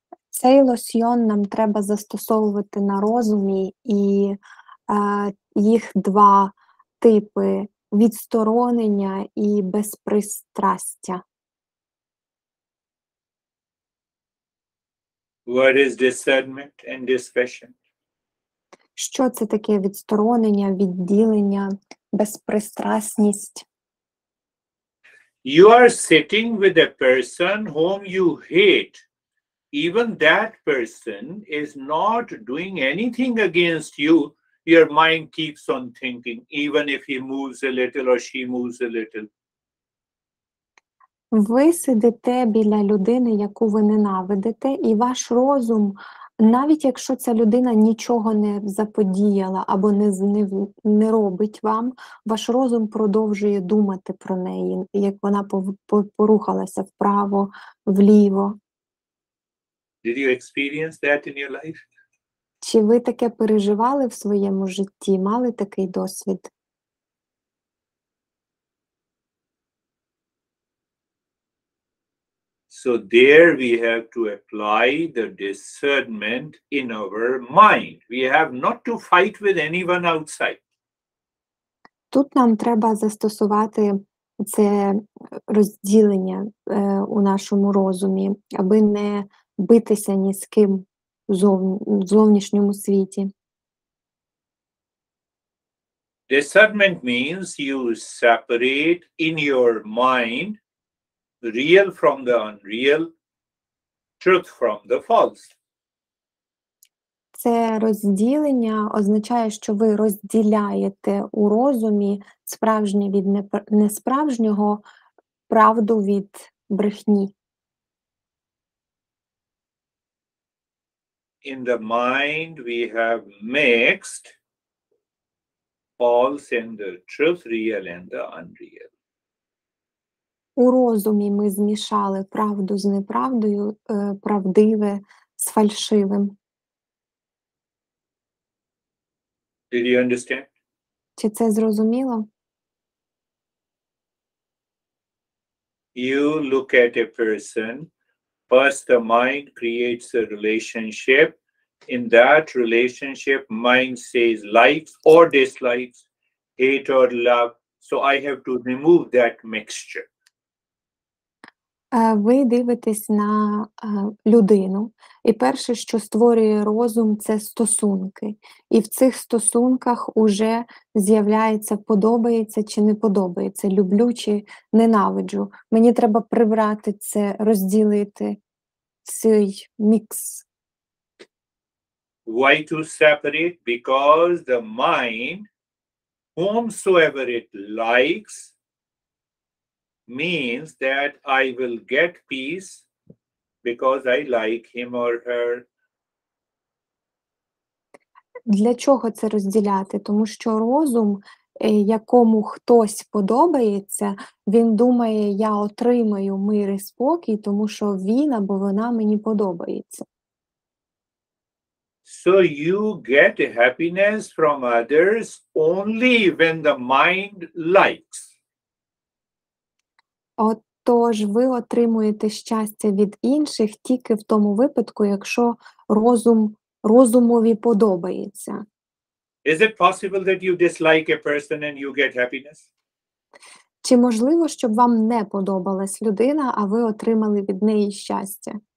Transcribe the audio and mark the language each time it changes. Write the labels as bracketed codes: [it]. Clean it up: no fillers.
[uk] Цей лосьйон нам треба застосовувати на розумі, і їх два типи – відсторонення і безпристрастя. [en] What is discernment and discretion? [uk] Що це таке відсторонення, відділення? Безпристрасність. [en] You are sitting with a person whom you hate. Even that person is not doing anything against you. Your mind keeps on thinking, even if he moves a little or she moves a little. [uk] Ви сидите біля людини, яку ви ненавидите, і ваш розум, навіть якщо ця людина нічого не заподіяла або не робить вам, ваш розум продовжує думати про неї, як вона порухалася вправо, вліво. [en] Did you experience that in your life? [uk] Чи ви таке переживали в своєму житті, мали такий досвід? [en] So there we have to apply the discernment in our mind. We have not to fight with anyone outside. [uk] Тут нам треба застосувати це розділення у нашому розумі, аби не битися ні з ким в зовнішньому світі. [en] Discernment means you separate in your mind real from the unreal, truth from the false. [uk] Це розділення означає, що ви розділяєте у розумі справжнє від несправжнього, правду від брехні. [en] In the mind we have mixed false and the truth, real and the unreal. [uk] У розумі ми змішали правду з неправдою, правдиве з фальшивим. [en] Did you understand? [uk] Чи це зрозуміло? [en] You look at a person, first the mind creates a relationship. In that relationship, mind says likes or dislikes, hate or love. So I have to remove that mixture. [uk] Ви дивитесь на людину, і перше, що створює розум, це стосунки. І в цих стосунках уже з'являється, подобається чи не подобається, люблю чи ненавиджу. Мені треба прибрати це, розділити цей мікс. [en] Why to separate? Because the mind, whomsoever it likes, means that I will get peace because I like him or her. [uk] Для чого це розділяти? Тому що розум, якому хтось подобається, він думає, я отримаю мир і спокій, тому що він або вона мені подобається. [en] So you get happiness from others only when the mind likes. [uk] Отож, ви отримуєте щастя від інших тільки в тому випадку, якщо розумові подобається. [en] Is it possible that you dislike a person and you get happiness? [uk] Чи можливо, щоб вам не подобалась людина, а ви отримали від неї щастя?